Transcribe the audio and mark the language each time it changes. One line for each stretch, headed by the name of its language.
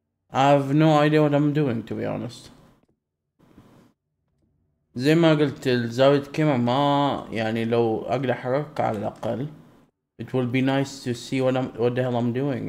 English: I have no idea what I'm doing, to be honest.
Arabic: زي ما قلت زاوية الكاميرا ما يعني لو أقدر أحرك على الأقل.
English: It will be nice to see what the hell I'm doing.